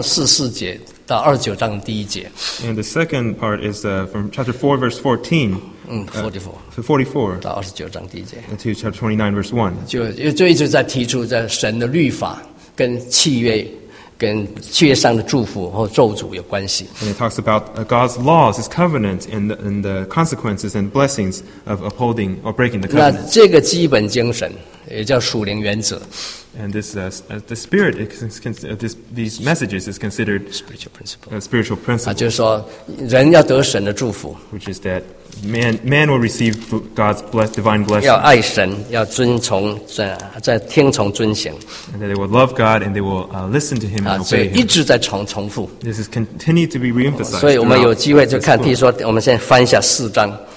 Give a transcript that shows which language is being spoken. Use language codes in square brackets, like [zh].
[zh] 第二篇就29章的四四节到29章第一节。 [en] And the second part is from chapter 4, verse 14. [zh] 44到29章第一节。 [en] To chapter 29, verse 1. [zh] 就一直在提出在神的律法跟契约。跟契约上的祝福或咒诅有关系。 [en] And it talks about God's laws, His covenant, and the consequences and blessings of upholding or breaking the covenant. [zh] 那这个基本精神也叫属灵原则。 [en] And this the spirit, these messages is considered spiritual principle. Spiritual principle. [zh] 就是说人要得神的祝福。 [en] Which is that man will receive God's divine blessing. [zh] 要爱神，要遵从，在听从遵行。 [en] And that they will love God and they will listen to Him and obey Him. [zh] 一直在重复。 [en] This is continued to be reemphasized. [zh] 所以我们有机会就看，譬如说，我们现在翻一下四章。